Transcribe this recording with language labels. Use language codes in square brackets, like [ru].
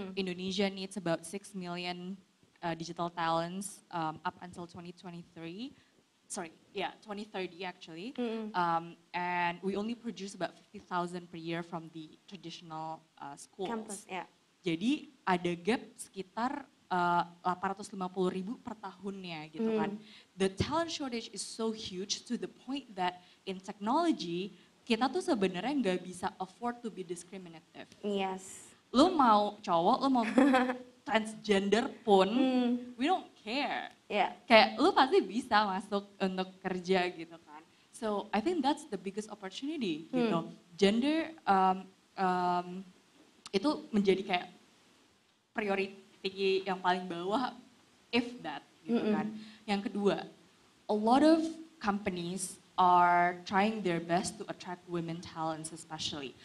[en] Indonesia needs about 6 million digital talents up until 2023. Sorry, yeah, 2030 actually. And we only produce about 50,000 per year from the traditional schools. Campus, yeah. [id] Jadi ada gap sekitar 850.000 per tahunnya gitu kan. [en] The talent shortage is so huge to the point that in technology [id] kita tuh sebenarnya nggak bisa [en] afford to be discriminative. Yes. [id] Lu mau cowok, lu mau transgender pun, [en] we don't care. Yeah. [id] Kayak lu pasti bisa masuk untuk kerja gitu kan. [en] So I think that's the biggest opportunity [id] gitu. Gender itu menjadi kayak priority yang paling bawah, [en] if that, [id] gitu kan. [en] Yang kedua, a lot of companies are trying their best to attract women talents especially.